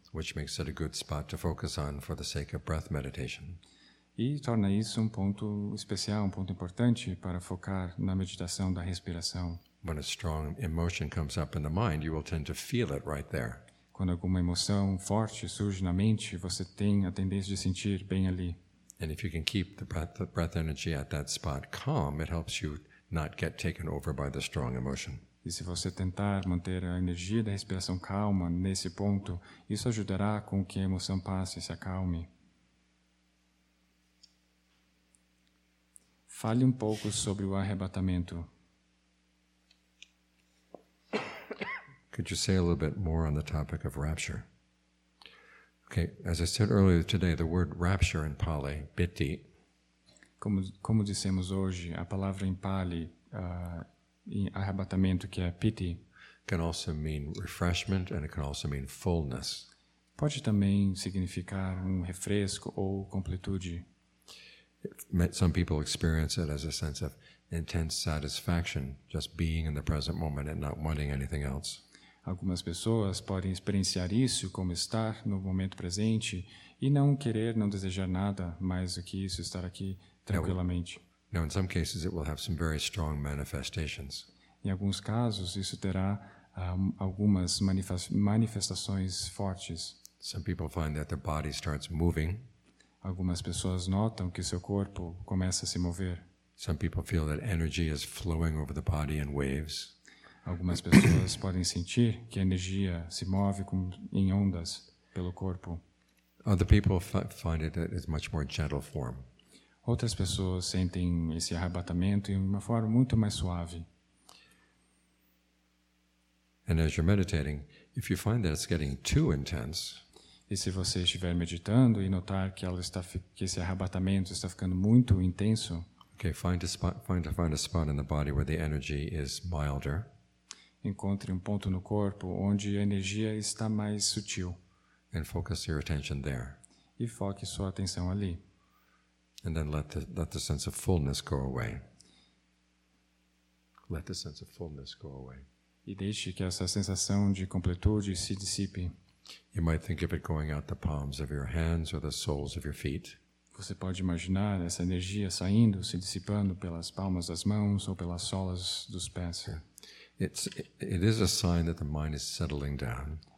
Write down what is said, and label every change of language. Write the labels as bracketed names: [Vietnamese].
[English] Which makes it a good spot to focus on for the sake of breath meditation. [Portuguese] E torna isso um ponto especial, um ponto importante para focar na meditação da respiração. [English] When a strong emotion comes up in the mind, you will tend to feel it right there. [Portuguese] Quando alguma emoção forte surge na mente, você tem a tendência de sentir bem ali. [English] And if you can keep the breath energy at that spot calm, it helps you not get taken over by the strong emotion. [Portuguese] E se você tentar manter a energia da respiração calma nesse ponto, isso ajudará com que a emoção passe e se acalme. Fale um pouco sobre o arrebatamento. [English] Could you say a little bit more on the topic of rapture? Okay, as I said earlier today, the word rapture in Pali, bitti. [Portuguese] Como dissemos hoje, a palavra em Pali, em arrebatamento, que é piti, [English] can also mean refreshment and it can also mean fullness. [Portuguese] Pode também significar refresco ou completude. [English] Some people experience it as a sense of intense satisfaction, just being in the present moment and not wanting anything else. [Portuguese] Algumas pessoas podem experienciar isso como estar no momento presente e não querer, não desejar nada mais do que isso, estar aqui tranquilamente. [English] Now, in some cases, it will have some very strong manifestations. [Portuguese] Em alguns casos, isso terá algumas manifestações fortes. [English] Some people find that their body starts moving. [Portuguese] Algumas pessoas notam que seu corpo começa a se mover. [English] Some people feel that energy is flowing over the body in waves. [Portuguese] Algumas pessoas podem sentir que a energia se move em ondas pelo corpo. [English] Other people find it that it's much more gentle form. [Portuguese] Outras pessoas sentem esse arrebatamento em uma forma muito mais suave. [English] And as you're meditating, if you find that it's getting too intense, [Portuguese] e se você estiver meditando e notar que esse arrebatamento está ficando muito intenso, [English] Okay, find a spot in the body where the energy is milder. [Portuguese] Encontre ponto no corpo onde a energia está mais sutil. [English] And focus your attention there. [Portuguese] E foque sua atenção ali. [English] And then let the sense of fullness go away. Let the sense of fullness go away. [Portuguese] E deixe que essa sensação de completude se dissipe. [English] You might think of it going out the palms of your hands or the soles of your feet. [Portuguese] Você pode imaginar essa energia saindo, se dissipando pelas palmas das mãos ou pelas solas dos pés. [English] Okay. It is a sign that the mind is settling down.